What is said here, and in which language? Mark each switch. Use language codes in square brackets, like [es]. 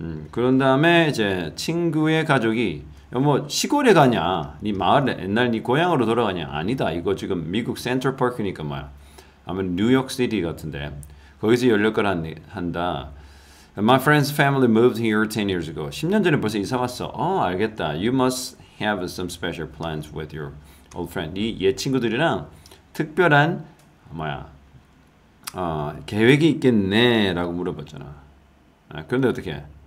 [ko] 그런 다음에 이제 친구의 가족이 뭐 시골에 가냐? 네 마을 옛날 네 고향으로 돌아가냐? 아니다. 이거 지금 미국 센트럴 파크니까 뭐야? 아마 뉴욕 시티 같은데 거기서 열릴 거란 한다. [en] My friend's family moved here 10 years ago. [ko] 10년 전에 벌써 이사 왔어. 어, 알겠다. [en] You must have some special plans with your old friend. [ko] 네옛 친구들이랑 특별한 뭐야? 계획이 있겠네라고 물어봤잖아. 아, 그런데 어떻게?